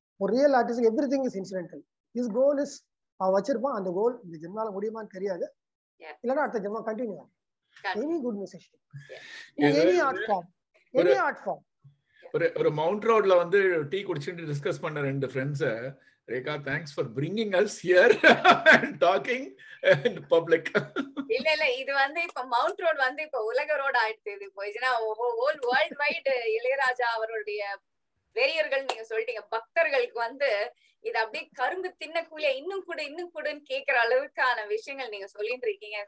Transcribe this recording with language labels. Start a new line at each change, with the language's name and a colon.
English: ஒரு real artist everything is incidental. Is goal is
Tamil: அவன் வச்சிருப்பான் அந்த கோல் இந்த ஜென்மால முடியுமான்னு தெரியாது. இல்லைன்னா அடுத்த ஜென்மம் கண்டினியூ ஆகும்.
English: Any good musician, any art form, any art form.
Tamil: ஒரு மவுண்ட் ரோட்ல வந்து டீ குடிச்சிட்டு டிஸ்கஸ் பண்ண ரெண்டு friends
English: Rekha, thanks for bringing us here and talking in public.
Tamil: இல்ல இல்ல இது வந்து இப்ப மவுண்ட் ரோட் வந்து இப்ப உலக ரோட் ஆயிடுச்சு. போயிச்சுன்னா
English: whole world wide
Tamil: இளையராஜா அவருடைய வெறியர்கள் நீங்க சொல்லிட்டீங்க பக்தர்களுக்கு வந்து இது அப்படியே கரும்பு தின்ன கூலிய இன்னும் கூட இன்னும் கூடன்னு கேக்குற அளவுக்கான விஷயங்கள் நீங்க சொல்லிட்டு இருக்கீங்க.